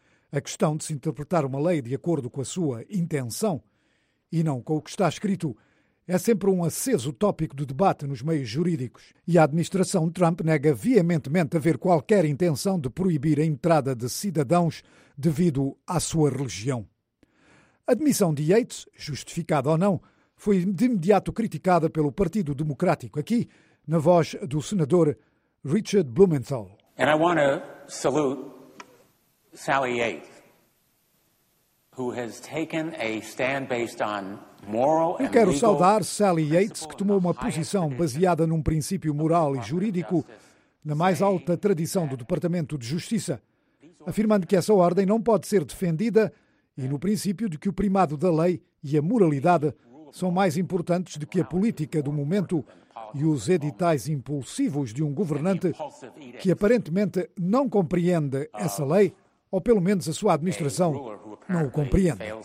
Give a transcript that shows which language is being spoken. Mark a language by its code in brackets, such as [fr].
[pt] A questão de se interpretar uma lei de acordo com a sua intenção e não com o que está escrito é sempre um aceso tópico de debate nos meios jurídicos, e a administração Trump nega veementemente haver qualquer intenção de proibir a entrada de cidadãos devido à sua religião. A admissão de Yates, justificada ou não, foi de imediato criticada pelo Partido Democrático, aqui na voz do senador Richard Blumenthal. [en] And I want to salute Sally Yates, who has taken a stand based on moral and legal. [pt] Eu quero saudar Sally Yates, que tomou uma posição baseada num princípio moral e jurídico na mais alta tradição do Departamento de Justiça, afirmando que essa ordem não pode ser defendida e no princípio de que o primado da lei e a moralidade são mais importantes do que a política do momento e os editais impulsivos de um governante que aparentemente não compreende essa lei, ou pelo menos a sua administração não o compreende.